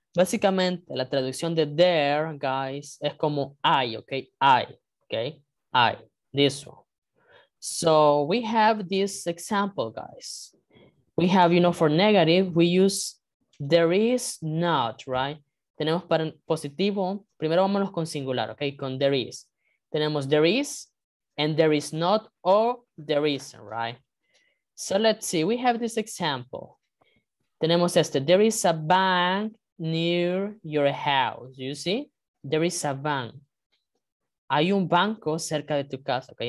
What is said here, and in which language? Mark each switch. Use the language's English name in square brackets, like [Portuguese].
[Spanish] Básicamente, la traducción de there, guys, es como I, okay? [English] I, okay? I, this one. So we have this example, guys. We have, you know, for negative, we use there is not, right? [Spanish] Tenemos para positivo, primero vámonos con singular, okay? Con there is. [English] Tenemos there is and there is not or there isn't, right? So let's see, we have this example. [Spanish] Tenemos este, [English] there is a bank near your house, you see? There is a bank. [Spanish] Hay un banco cerca de tu casa, okay?